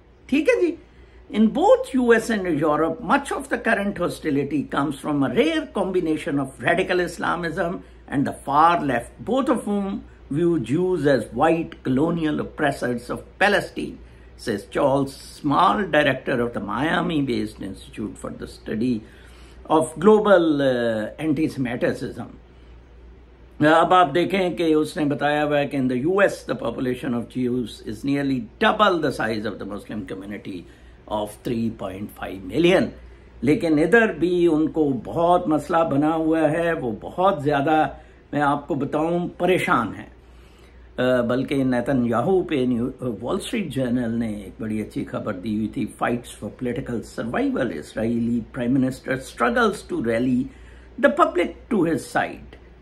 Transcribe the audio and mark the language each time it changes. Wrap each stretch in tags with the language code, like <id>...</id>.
<ur>Theek hai ji,</ur> <en>in both US and Europe, much of the current hostility comes from a rare combination of radical Islamism and the far left, both of whom view Jews as white colonial oppressors of Palestine, says Charles Small, director of the Miami-based Institute for the Study of Global Antisemitism.</en> <ur>اب آپ دیکھیں کہ اس نے بتایا ہوا ہے کہ</ur> <en>In the U S the population of Jews is nearly double the size of the Muslim community of 3.5 million.</en> <ur>لیکن ادھر بھی ان کو بہت مسئلہ بنا ہوا ہے, وہ بہت زیادہ میں آپ کو بتاؤں پریشان ہیں. بلکہ نیتن یاہو پہ وال اسٹریٹ جرنل نے ایک بڑی اچھی خبر دی ہوئی تھی,</ur> <en>Fights for political survival, Israeli prime minister struggles to rally the public to his side.</en>